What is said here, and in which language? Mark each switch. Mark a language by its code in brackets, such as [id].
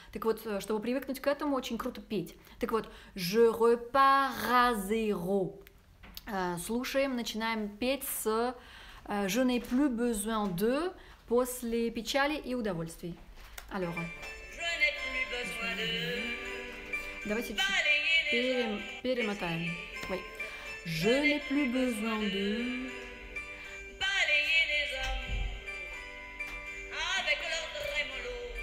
[ru] Так вот, чтобы привыкнуть к этому, очень круто петь. Так вот, [fr] je repars à zéro. [ru] Слушаем, начинаем петь с... [fr] Je n'ai plus besoin de [ru] после печали и удовольствий. [fr] Alors. Je n'ai plus besoin de... [ru] Давайте перемотаем. [fr] Oui. Je n'ai plus besoin de... Balayer les hommes avec leur tremolo.